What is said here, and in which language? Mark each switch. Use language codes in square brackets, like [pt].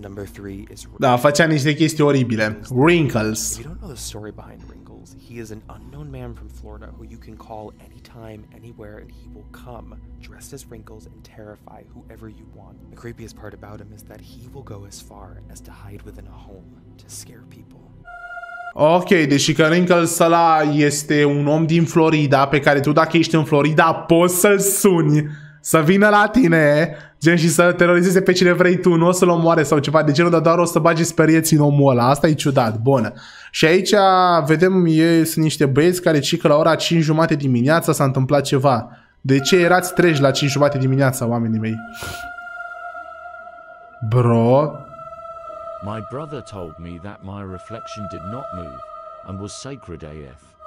[en] Number 3 is [ro] Da, facea niște chestii oribile. Wrinkles. [en] If you don't know the story behind Wrinkles, he is an unknown man from Florida who you can call anytime, anywhere, and he will come dressed as Wrinkles and terrify whoever you want. The creepiest part about him is that he will go as far as to hide within a home to scare people. [ro] Ok, deși că Wrinkles ăla este un om din Florida, pe care tu, dacă ești în Florida, poți să-l suni să vină la tine, gen, și să terorizeze pe cine vrei tu, nu o să-l omoare sau ceva de genul, dar doar o să bagi sperieți în omul ăla. Asta e ciudat, bun. Și aici vedem, sunt niște băieți care știi că la ora 5:30 dimineața s-a întâmplat ceva. De ce erați treji la 5:30 dimineața, oamenii mei? [en] Bro... My brother told me that my reflection did not move and was sacred AF.